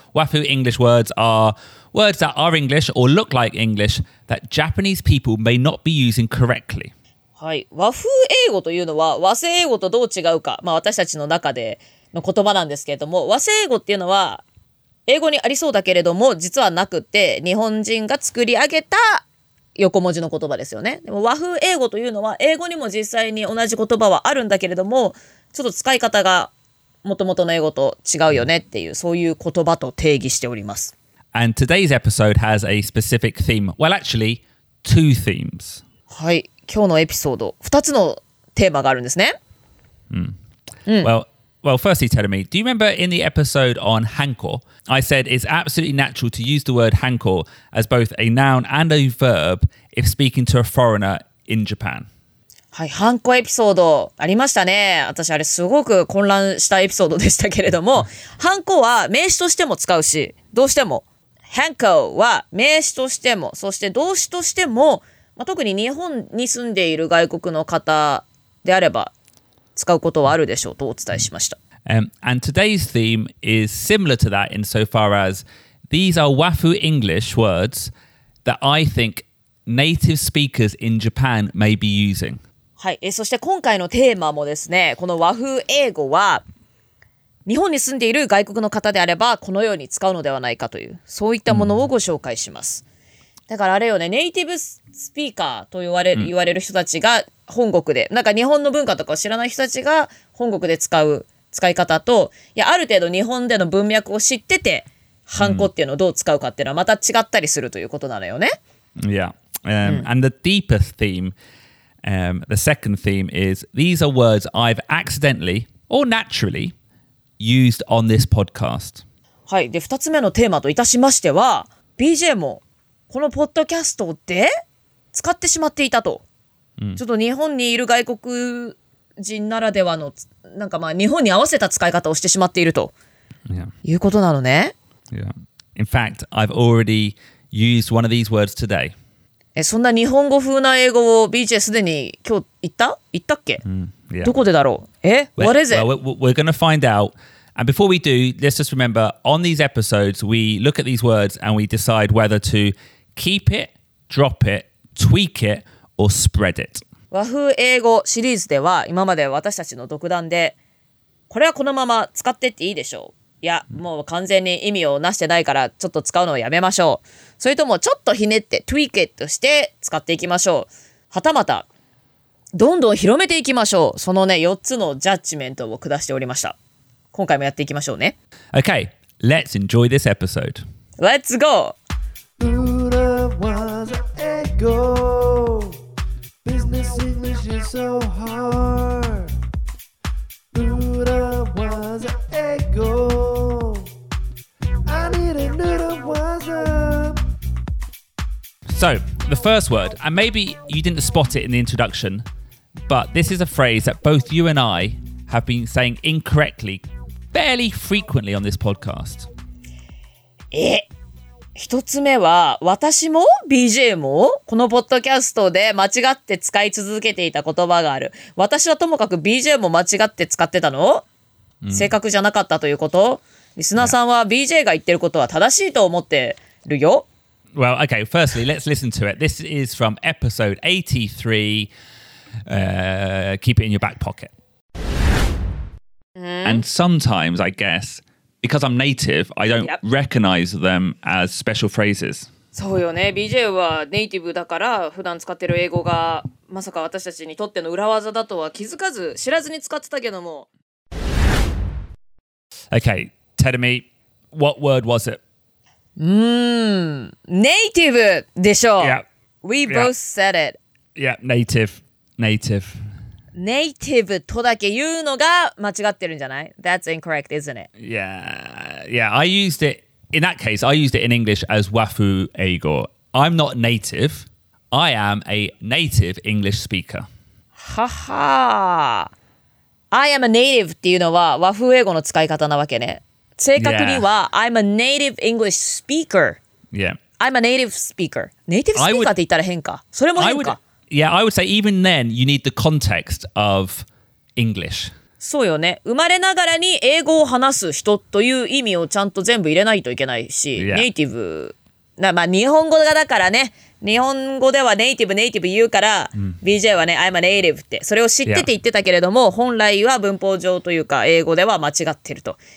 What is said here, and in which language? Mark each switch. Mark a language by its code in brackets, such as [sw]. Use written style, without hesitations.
[en] WAFU English words are words that are English or look like English that Japanese people may not be using correctly. [ja] はい、WAFU 英語というのは和製英語とどう違うか、まあ、私たちの中での言葉なんですけれども、和製英語っていうのは英語にありそうだけれども実はなくて、日本人が作り上げた横文字の言葉ですよね。でも和風英語というのは英語にも実際に同じ言葉はあるんだけれども、ちょっと使い方が元々の英語と違うよねっていう、そういう言葉と定義しております。 [en] And today's episode has a specific theme. Well, actually, two themes. [ja] はい、今日のエピソード2つのテーマがあるんですね。 [en] Well, firstly, Terumi, do you remember in the episode on hanko, I said it's absolutely natural to use the word hanko as both a noun and a verb if speaking to a foreigner in Japan? [ja] はい、hanko エピソードありましたね。私あれすごく混乱したエピソードでしたけれども、hanko は名詞としても使うし、どうしても hanko は名詞としても、そして動詞としても、まあ、特に日本に住んでいる外国の方であれば使うことはあるでしょうとお伝えしました。 [en] And today's theme is similar to that in so far as these are WAFU English words that I think native speakers in Japan may be using. [ja] はい、そして今回のテーマもですね、この WAFU 英語は日本に住んでいる外国の方であればこのように使うのではないかという、そういったものをご紹介します。だからあれよね、ネイティブスピーカーと言われる人たちが本国で、なんか日本の文化とかを知らない人たちが本国で使い方と、いや、ある程度日本での文脈を知ってて、ハンコっていうのをどう使うかっていうのはまた違ったりするということなのよね。 [en] Yeah. And the deepest theme, the second theme is, these are words I've accidentally or naturally used on this podcast. [ja] はい。で、二つ目のテーマといたしましては、BJ もこのポッドキャストで使ってしまっていたと。ちょっと日本にいる外国人ならではの、なんかまあ日本に合わせた使い方をしてしまっていると、 [en] yeah. [ja] いうことなのね。 [en] Yeah. In fact, I've already used one of these words today. [ja] え、そんな日本語風な英語を BJ すでに今日言ったっけ、 [en] yeah. [ja] どこでだろう、え、 [en] what is it? Well, we're going to find out. And before we do, let's just remember, on these episodes, we look at these words and we decide whether to keep it, drop it, tweak itOr spread it. [ja] 和風英語シリーズでは今まで私たちの独断でこれはこのまま使ってっていいでしょう、いやもう完全に意味をなしてないからちょっと使うのをやめましょう、それともちょっとひねって [en] tweak it [ja] として使っていきましょう、はたまたどんどん広めていきましょう、そのね4つのジャッジメントを下しておりました。今回もやっていきましょうね。 [en] Okay, let's enjoy this episode. Let's go! Ura was egoSo hard, Buddha was an ego. I need a noodle was a. So, the first word, and maybe you didn't spot it in the introduction, but this is a phrase that both you and I have been saying incorrectly fairly frequently on this podcast. Eh. [ja] 一つ目は、私も BJ もこのポッドキャストで間違って使い続けていた言葉がある。私はともかく BJ も間違って使ってたの、正確じゃなかったということ、リスナーさんは BJ が言ってることは正しいと思ってるよ。 [en] Well, okay, firstly, let's listen to it. This is from episode 83. Keep it in your back pocket. Mm-hmm. And sometimes, I guess, because I'm native, I don't recognize them as special phrases. [ja] そうよね。 BJ はネイティブだから普段使ってる英語がまさか私たちにとっての裏技だとは気づかず知らずに使ってたけども。 [en] Okay, tell me, what word was it? [ja] ネイティブでしょう。 [en] Yeah. We both said it. Yeah, native. Native. [ja] ネイティブとだけ言うのが間違ってるんじゃない? [en] That's incorrect, isn't it? Yeah, I used it. In that case, I used it in English as Wafu Eigo. I'm not native. I am a native English speaker. [ja] Haha. [en] I am a native [ja] っていうのは Wafu Eigo の使い方なわけね。正確には、 [en] yeah. I'm a native English speaker. Yeah. I'm a native speaker. Native speaker would, [ja] って言ったら変か。それも変か。 [en] Yeah, I would say even then you need the context of English. [ja] そうよね。生まれながらに英語を話す人という意味をちゃんと全部入れないといけないし、ネイティブ、まあ日本語がだからね、日本語ではネイティブネイティブ言うから、BJ はね、 [en] I'm a native [ja] って、それを知ってて言ってたけれども、本来は文法上というか英語では間違ってると。